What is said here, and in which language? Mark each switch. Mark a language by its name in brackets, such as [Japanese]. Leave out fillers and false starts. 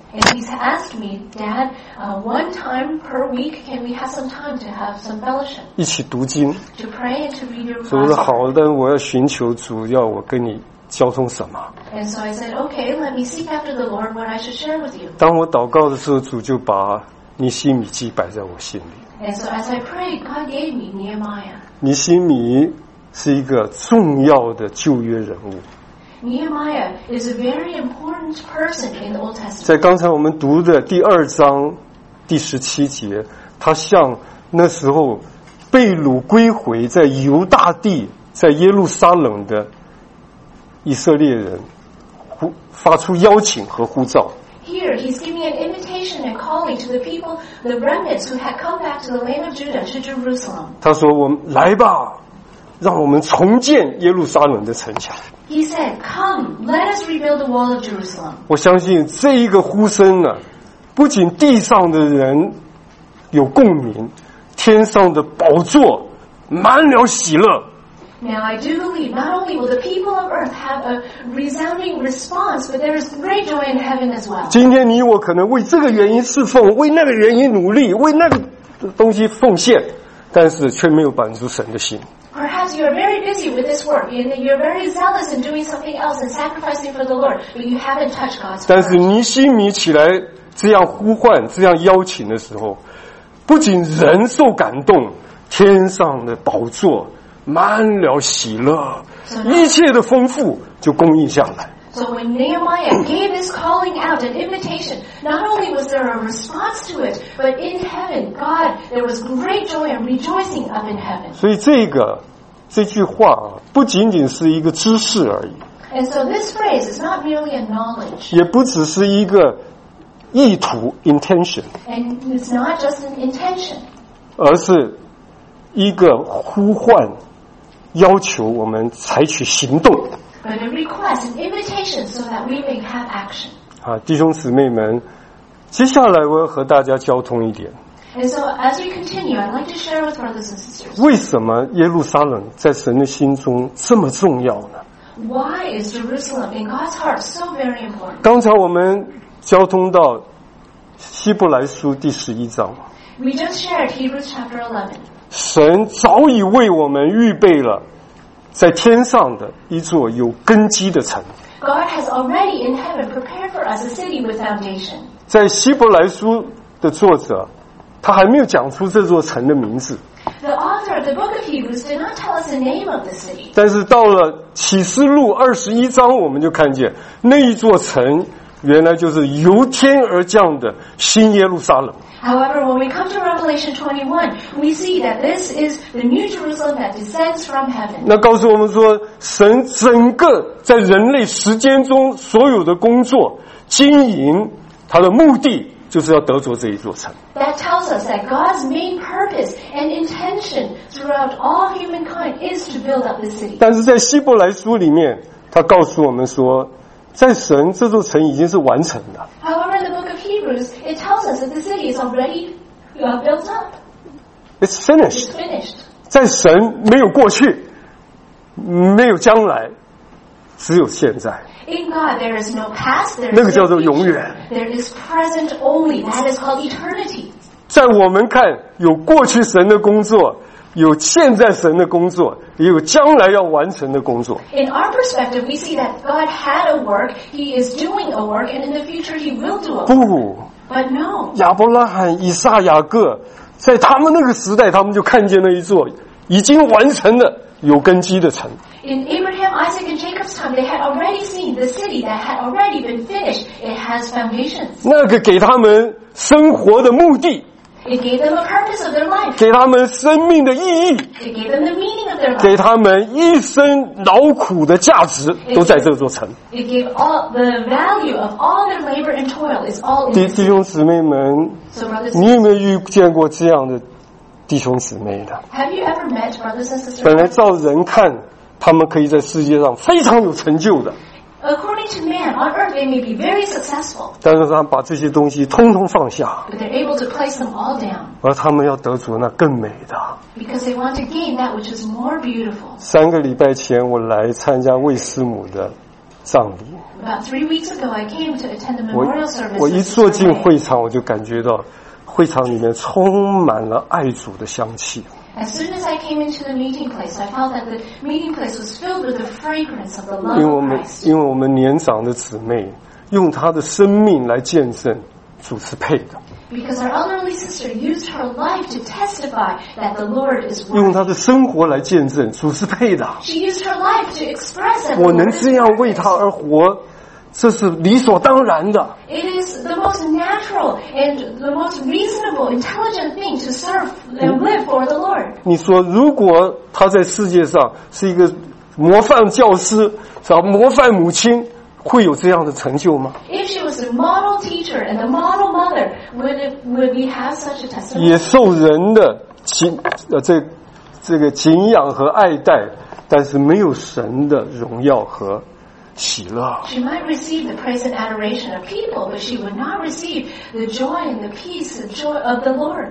[English] And he's asked me, Dad, one time per week, can we have some time to have some fellowship? [Chinese] 一起读经。 [English] To pray and to read your Bible. [Chinese] 所以我说好的，我要寻求主，要我跟你交通什么？ [English] And so I said, okay, let me seek after the Lord what I should share with you. [Chinese] 当我祷告的时候，主就把尼希米记摆在我心里。 [English] And so as I prayed, God gave me Nehemiah. [Chinese] 尼希米是一个重要的旧约人物。 [English] Nehemiah is a very important person in the Old Testament. [Chinese] 在刚才我们读的第二章第十七节，他向那时候被掳归回在犹大地在耶路撒冷的以色列人发出邀请和呼召。 [English] Here he's giving an invitation and calling to the people, the remnants who had come back to the land of Judah to Jerusalem. [Chinese] 他说：“我们来吧。” 让我们重建耶路撒冷的城墙。 [English] He said, "Come, let us rebuild the wall of Jerusalem." [Chinese] 我相信这一个呼声呢，不仅地上的人有共鸣，天上的宝座满了喜乐。 [English] Now I do believe not only will the people of earth have a resounding response, but there is great joy in heaven as well. [Chinese] 今天你我可能为这个原因侍奉，为那个原因努力，为那个东西奉献，但是却没有满足神的心。 [English] Perhaps perhaps you are very busy with this work, and you're very zealous in doing something else and sacrificing for the Lord, but you haven't touched God's heart. [Chinese] 但是尼希米起来这样呼唤，这样邀请的时候，不仅人受感动，天上的宝座满了喜乐，一切的丰富就供应下来。 [English] So when Nehemiah gave this calling out, an invitation, not only was there a response to it, but in heaven, God, there was great joy and rejoicing up in heaven. [Chinese] 所以这句话不仅仅是一个知识而已。 [English] And so this phrase is not merely a knowledge. [Chinese] 也不只是一个意图 [English] intention. And it's not just an intention. [Chinese] 而是一个呼唤，要求我们采取行动。 [English] But a request, an invitation, so that we may have action. [Chinese] 啊，弟兄姊妹们，接下来我要和大家交通一点。 [English] And so as we continue, I'd like to share with brothers and sisters. [Chinese] 为什么耶路撒冷在神的心中这么重要呢 [English] ？Why is Jerusalem in God's heart so very important? [Chinese] 刚才我们交通到希伯来书第十一章。 [English] We just shared Hebrews chapter 11. [Chinese] 神早已为我们预备了。在天上的一座有根基的城。 [English] God has already in heaven prepared for us a city with foundation. [Chinese] 在希伯来书的作者，他还没有讲出这座城的名字。 [English] The author of the book of Hebrews did not tell us the name of the city. [Chinese] 但是到了启示录二十一章，我们就看见那一座城原来就是由天而降的新耶路撒冷。 [English] However, when we come to Revelation 21, we see that this is the new Jerusalem that descends from heaven. [Chinese] 那告诉我们说，神整个在人类时间中所有的工作、经营，他的目的就是要得着这一座城。 [English] That tells us that God's main purpose and intention throughout all humankind is to build up the city. [Chinese] 但是在希伯来书里面，他告诉我们说，在神这座城已经是完成的。 [English] However, the book of Hebrews it tells us that the city is already built up. It's finished. It's finished. [Chinese] 在神没有过去，没有将来，只有现在。 [English] In God, there is no past. There is [Chinese] 那个叫做永远。 [English] There is present only. That is called eternity. [Chinese] 在我们看，有过去神的工作。有现在神的工作，也有将来要完成的工作。 [English] In our perspective, we see that God had a work; He is doing a work, and in the future He will do a work. [Chinese] 不 [English] ，But no. [Chinese] 亚伯拉罕、以撒、雅各，在他们那个时代，他们就看见了一座已经完成的有根基的城。 [English] In Abraham, Isaac, and Jacob's time, they had already seen the city that had already been finished. It has foundations. [Chinese] 那个给他们生活的目的。 [English] It gave them a purpose of their life. [Chinese] 给他们生命的意义。 [English] It gave them the meaning of their life. [Chinese] 给他们一生劳苦的价值都在这座城。 [English] It gave all the value of all their labor and toil is all in this. [Chinese] 弟兄姊妹们， [English] so、 [Chinese] 你有没有遇见过这样的弟兄姊妹的 [English] ？Have you ever met brothers and sisters? [Chinese] 本来照人看，他们可以在世界上非常有成就的。 [English] According to man, on earth they may be very successful. [Chinese] 但是他们把这些东西通通放下。 [English] But they're able to place them all down. [Chinese] 而他们要得着那更美的。 [English] Because they want to gain that which is more beautiful. [Chinese] 三个礼拜前我来参加魏师母的葬礼。 [English] About 3 weeks ago, I came to attend the memorial service. [Chinese] 我一坐进会场，我就感觉到会场里面充满了爱主的香气。 [English] As soon as I came into the meeting place, I felt that the meeting place was filled with the fragrance of the love of Christ. [Chinese] 因为我们年长的姊妹用她的生命来见证主是配的。 [English] Because our elderly sister used her life to testify that the Lord is worthy. [Chinese] 用她的生活来见证主是配的。 [English] She used her life to express that. [Chinese] 我能这样为她而活，这是理所当然的。 [English] It is the most natural and the most reasonable, intelligent thing to serve and live for the Lord. [Chinese] 你说，如果他在世界上是一个模范教师，是吧？模范母亲，会有这样的成就吗 [English] ？If she was a model teacher and a model mother, would we have such a testimony? [Chinese] 也受人的敬仰和爱戴，但是没有神的荣耀和。喜乐。 [English] She might receive the praise and adoration of people, but she would not receive the joy and the peace, the joy of the Lord.